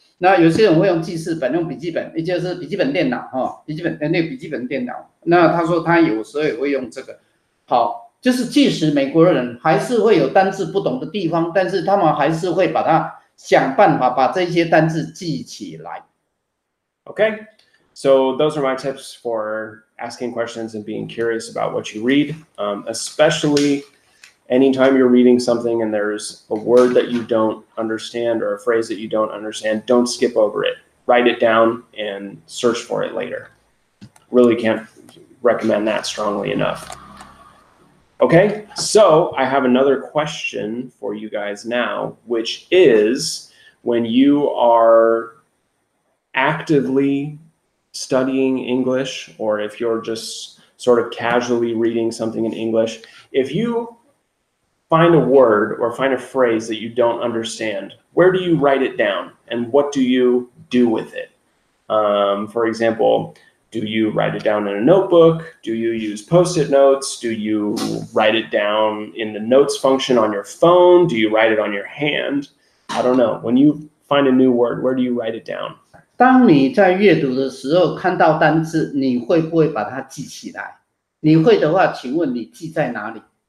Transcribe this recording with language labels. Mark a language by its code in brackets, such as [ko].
[zh] 那有些人会用记事本，用笔记本，也就是笔记本电脑哈，笔记本那个笔记本电脑。那他说他有时候也会用这个。好，就是即使美国人还是会有单字不懂的地方，但是他们还是会把它想办法把这些单字记起来。 [en] Okay, so those are my tips for asking questions and being curious about what you read, especially. Anytime you're reading something and there's a word that you don't understand or a phrase that you don't understand, don't skip over it. Write it down and search for it later. Really can't recommend that strongly enough. Okay, so I have another question for you guys now, which is when you are actively studying English or if you're just sort of casually reading something in English, if youfind a word or find a phrase that you don't understand, where do you write it down and what do you do with it? For example, do you write it down in a notebook? Do you use post-it notes? Do you write it down in the notes function on your phone? Do you write it on your hand? I don't know. When you find a new word, where do you write it down? [zh] 当你在阅读的时候看到单字，你会不会把它记起来？你会的话，请问你记在哪里？